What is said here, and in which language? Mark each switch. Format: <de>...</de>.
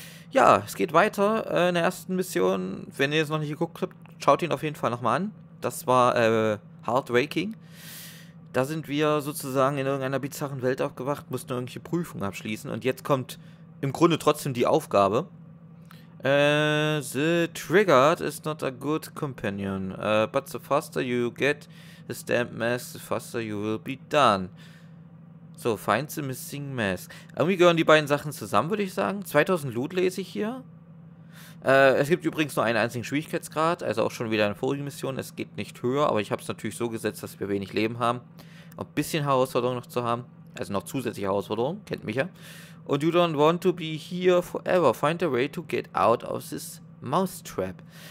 <de>Ja, es geht weiter in der ersten Mission. Wenn ihr es noch nicht geguckt habt, schaut ihn auf jeden Fall nochmal an. Das war Heartwaking. Da sind wir sozusagen in irgendeiner bizarren Welt aufgewacht, mussten irgendwelche Prüfungen abschließen. Und jetzt kommt im Grunde trotzdem die Aufgabe.</de> <en>The Triggered is not a good companion, but the faster you get this damn mask, the faster you will be done. So, find the missing mask.</en> <de>Irgendwie gehören die beiden Sachen zusammen, würde ich sagen. 2000 Loot lese ich hier. Es gibt übrigens nur einen einzigen Schwierigkeitsgrad, also auch schon wieder eine vorige Mission. Es geht nicht höher, aber ich habe es natürlich so gesetzt, dass wir wenig Leben haben. Ein bisschen Herausforderung noch zu haben, also noch zusätzliche Herausforderung, kennt mich ja.</de> <en>Und you don't want to be here forever. Find a way to get out of this mousetrap.</en>